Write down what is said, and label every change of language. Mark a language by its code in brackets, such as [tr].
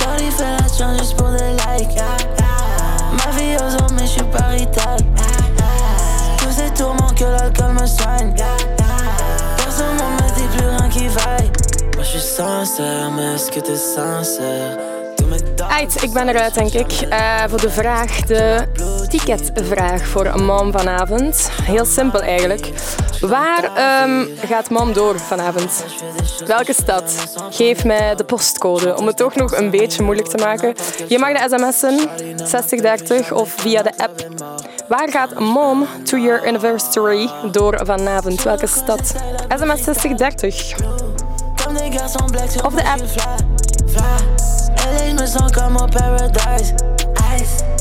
[fr] Shorty fait la chance juste pour des likes, yeah. Ma vie aux hommes, mais je suis pas rital, yeah. Tous ces tourments que l'alcool me soigne, yeah. Personne ne me dit plus rien qui vaille. Moi, je suis sincère, mais est-ce que t'es sincère? [nl] Aight, ik ben eruit, denk ik. Voor de vraag, de ticketvraag voor Mom vanavond. Heel simpel eigenlijk. Waar gaat Mom door vanavond? Welke stad? Geef mij de postcode, om het toch nog een beetje moeilijk te maken. Je mag de sms'en, 6030 of via de app. Waar gaat Mom, 2-year anniversary, door vanavond? Welke stad? SMS 6030. Of de app. [fr] Je me sens comme au paradise, ice.